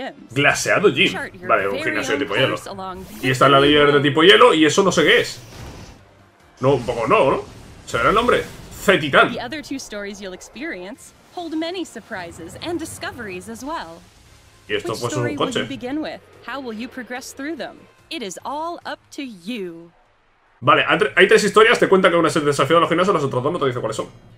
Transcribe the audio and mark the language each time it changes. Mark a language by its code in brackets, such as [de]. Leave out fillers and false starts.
[es] Glaseado gym. Vale, un gimnasio de tipo hielo. Y esta es la leyenda de tipo hielo y eso no sé qué es. No, un poco no, ¿no? ¿Será el nombre? C-Titán. [en] The other two stories you'll experience hold many surprises and discoveries as well. [es] Y esto pues es un coche. [en] Begin with? How will you progress through them? It is all up to you. [es] Vale, hay tres historias, te cuenta que una es el desafío de los gimnasios, las otras dos no te dice cuáles son.